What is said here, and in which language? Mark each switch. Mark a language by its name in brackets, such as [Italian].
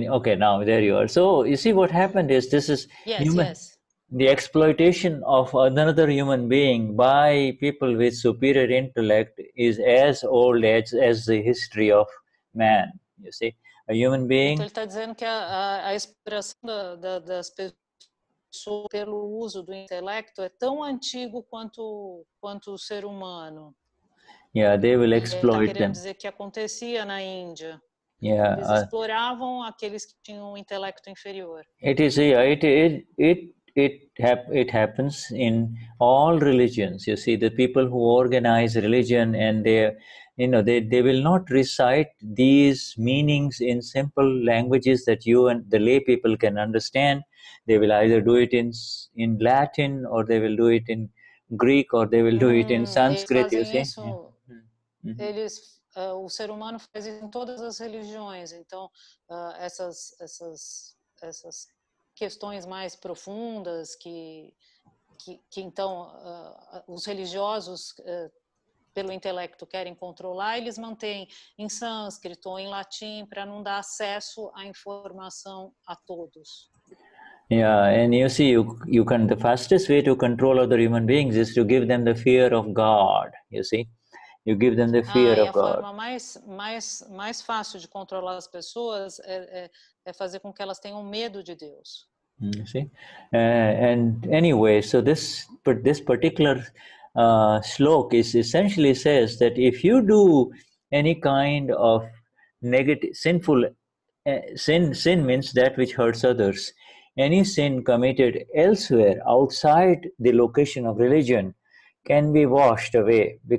[English] Okay, now there you are. So, you see what happened is this is the exploitation of another human being by people with superior intellect is as old as the history of man, you see. A human being... [Portuguese] Então, ele está dizendo que a exploração das pessoas pelo uso do intelecto é tão antigo quanto o ser humano. [English] Yeah, they will exploit [Portuguese] them. Querendo dizer que acontecia na Índia. [English] Yeah, [Portuguese] eles exploravam aqueles que tinham um intelecto inferior. [English] It is, yeah, it happens in all religions. You see, the people who organize religion and they, you know, they will not recite these meanings in simple languages that you and the lay people can understand. They will either do it in Latin, or they will do it in Greek, or they will do it in Sanskrit. [Portuguese] Eles fazem [English] you see, [Portuguese] isso, yeah. Eles, o ser humano faz isso em todas as religiões. Então, essas questões mais profundas que então os religiosos pelo intelecto querem controlar, eles mantêm em sânscrito ou em latim para não dar acesso à informação a todos. [English] Yeah, and you see, you can, the fastest way to control other human beings is to give them the fear of God, you see? You give them the fear of God. [Portuguese] A forma mais fácil de controlar as pessoas é fazer com que elas tenham medo de Deus. [English] You see? And anyway, so this particular shloka is essentially says that if you do any kind of negative, sinful, sin means that which hurts others, any sin committed elsewhere outside the location of religion can be washed away.